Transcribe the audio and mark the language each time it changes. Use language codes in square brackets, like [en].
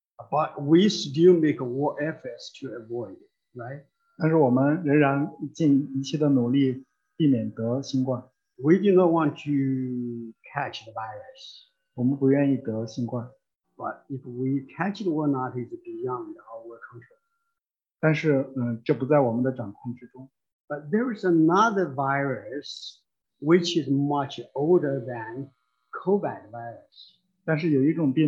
[en] But we still make war efforts to avoid it, right? [zh] 但是我们仍然尽一切的努力. [en] We do not want to catch the virus. But if we catch it or not, it's beyond our control. [zh] 但是这不在我们的掌控之中. [en] But there is another virus which is much older than COVID virus.